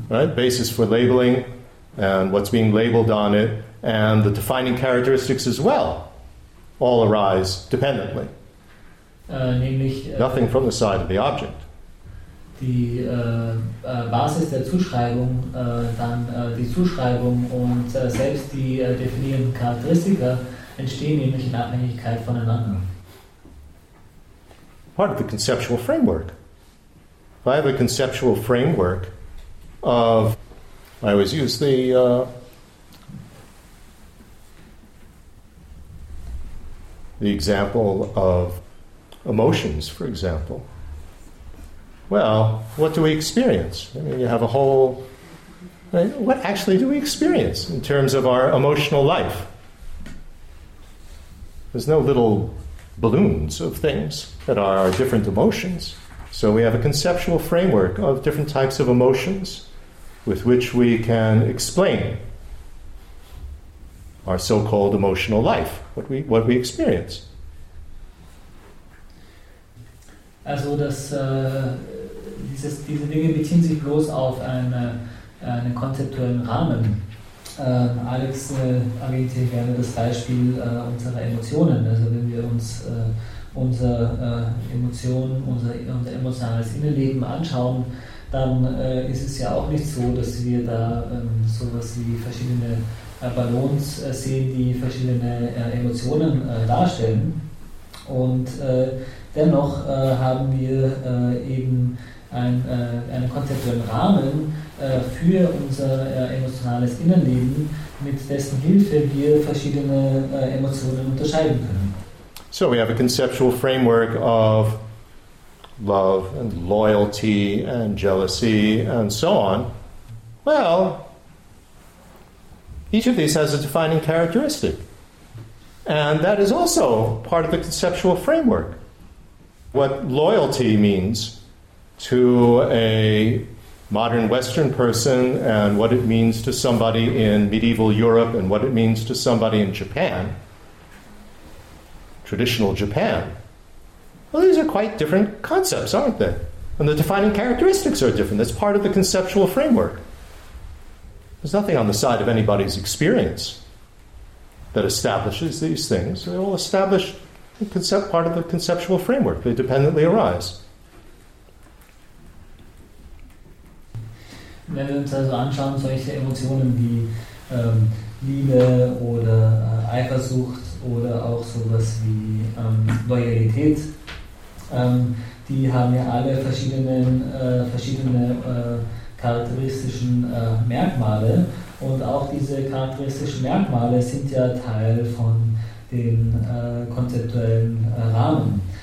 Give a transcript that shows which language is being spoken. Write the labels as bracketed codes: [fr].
[en] Right, basis for labeling and what's being labeled on it and the defining characteristics as well all arise dependently. [de] Nämlich, [en] nothing from the side of the object. [de] Die Basis der Zuschreibung, dann die Zuschreibung und selbst die definierenden Charakteristika entstehen nämlich in Abhängigkeit voneinander. [en] Part of the conceptual framework. If I have a conceptual framework of, I always use the example of emotions, for example. Well, what do we experience? I mean, you have a whole right? What actually do we experience in terms of our emotional life? There's no little balloons of things that are our different emotions. So we have a conceptual framework of different types of emotions with which we can explain our so-called emotional life, what we experience. [de] Also, dass diese Dinge beziehen sich bloß auf einen konzeptuellen Rahmen. Alex erwähnte gerne das Beispiel unserer Emotionen. Also wenn wir uns unser emotionales Innenleben anschauen, dann ist es ja auch nicht so, dass wir da sowas wie verschiedene Ballons sehen, die verschiedene Emotionen darstellen. Und dennoch haben wir eben einen konzeptuellen Rahmen für unser emotionales Innenleben, mit dessen Hilfe wir verschiedene Emotionen unterscheiden können. [en] So we have a conceptual framework of love and loyalty and jealousy and so on. Well, each of these has a defining characteristic. And that is also part of the conceptual framework. What loyalty means to a modern Western person and what it means to somebody in medieval Europe and what it means to somebody in Japan, traditional Japan. Well, these are quite different concepts, aren't they? And the defining characteristics are different. That's part of the conceptual framework. There's nothing on the side of anybody's experience that establishes these things. They all establish part of the conceptual framework. They dependently arise. [de] Wenn wir uns also anschauen, solche Emotionen wie Liebe oder Eifersucht oder auch sowas wie Loyalität, die haben ja alle verschiedene charakteristischen Merkmale, und auch diese charakteristischen Merkmale sind ja Teil von dem konzeptuellen Rahmen.